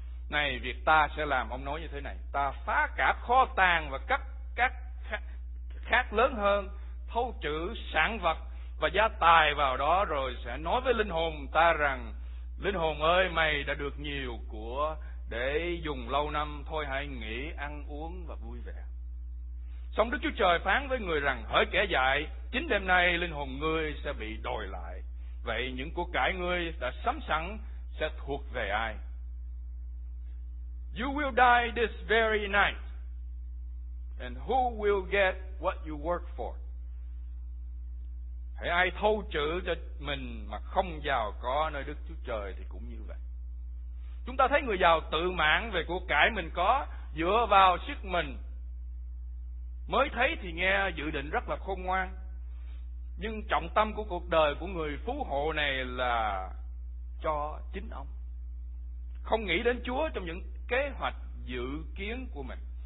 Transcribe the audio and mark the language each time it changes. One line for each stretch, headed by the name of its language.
Vietnamese: Này, việc ta sẽ làm, ông nói như thế này: ta phá cả kho tàng và cắt các khác lớn hơn, thâu trữ sản vật và gia tài vào đó, rồi sẽ nói với linh hồn ta rằng: linh hồn ơi, mày đã được nhiều của để dùng lâu năm, thôi hãy nghỉ ăn uống và vui vẻ. Xong Đức Chúa Trời phán với người rằng: hỡi kẻ dại, chính đêm nay linh hồn ngươi sẽ bị đòi lại. Vậy những của cải ngươi đã sắm sẵn sẽ thuộc về ai?
English: You will die this very night, and who will get what you work for?
Vietnamese: Hãy ai thâu trữ cho mình mà không giàu có nơi Đức Chúa Trời thì cũng như vậy. Chúng ta thấy người giàu tự mãn về của cải mình có, dựa vào sức mình. Mới thấy thì nghe dự định rất là khôn ngoan, nhưng trọng tâm của cuộc đời của người phú hộ này là cho chính ông, không nghĩ đến Chúa trong những kế hoạch dự kiến của mình.